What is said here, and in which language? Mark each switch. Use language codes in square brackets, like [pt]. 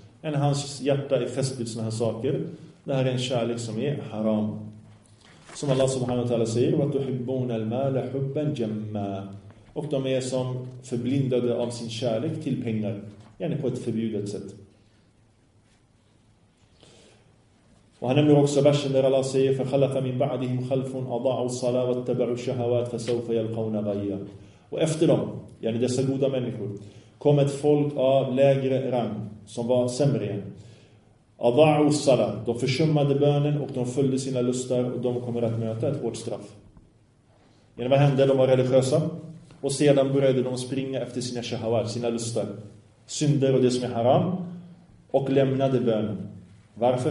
[sv] En hans hjärta är fäst vid sådana här saker. Det här är en kärlek som är haram. [ar] Som Allah subhanahu wa ta'ala säger, وَتُحِبُّونَ الْمَالَ حُبَّنْ جَمَّا. [sv] Och de är som förblindade av sin kärlek till pengar. Gärna på ett förbjudet sätt. Och han nämner också versen där Allah säger, [ar] فَخَلَقَ مِنْ بَعْدِهِمْ خَلْفٌ أَضَعُوا الصَّلَاةَ وَاتَّبَعُوا الشَّهَوَاتِ فَسَوْفَ يَلْقَوْنَ غَيًّا. [sv] Och efter dem, yani dessa goda människor, kom ett folk av lägre rang som var sämre igen. [ar] أَضَعُوا الصَّلَاةَ. [sv] De försummade bönen och de följde sina lustar och de kommer att möta ett hårt straff. Yani vad hände? De var religiösa och sedan började de springa efter sina shahawat, sina lustar, synder och det som är haram, och lämnade bönen. Varför?